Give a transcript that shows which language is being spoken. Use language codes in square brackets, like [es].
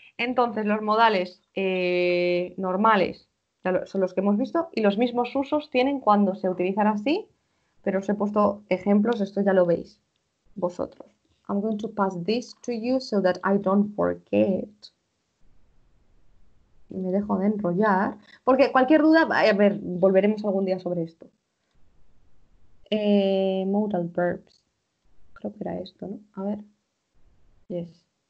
[es] Entonces, los modales normales son los que hemos visto. Y los mismos usos tienen cuando se utilizan así. Pero os he puesto ejemplos. Esto ya lo veis vosotros. [en] I'm going to pass this to you so that I don't forget. [es] Y me dejo de enrollar. Porque cualquier duda, a ver, volveremos algún día sobre esto. Modal verbs. Creo que era esto, ¿no? A ver. Yes.